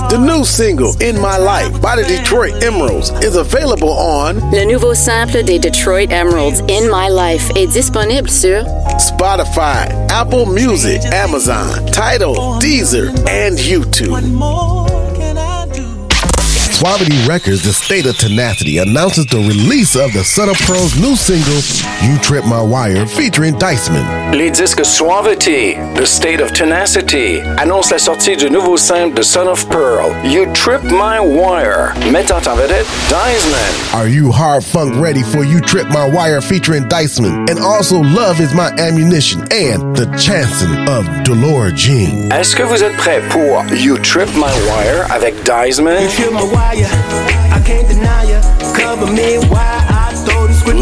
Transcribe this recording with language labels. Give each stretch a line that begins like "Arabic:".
English: The new single, In My Life, by the Detroit Emeralds, is available on
French: Le nouveau simple des Detroit Emeralds, In My Life, est disponible sur
English: Spotify, Apple Music, Amazon, Tidal, Deezer, and YouTube. Suavity Records, the state of tenacity, announces the release of the Son of Pearl's new single, You Trip My Wire, featuring Diceman.
French: Les disques Suavity,
English: the state of tenacity,
French: annonce la sortie du nouveau single de Son of Pearl, You Trip My Wire, mettant en vedette Diceman.
English: Are you hard funk ready for You Trip My Wire, featuring Diceman, and also Love Is My Ammunition, and The Chanson of Dolores Jean?
French: Est-ce que vous êtes prêt pour You Trip My Wire avec Diceman?
English: I can't deny ya. Cover me why I throw this grenade.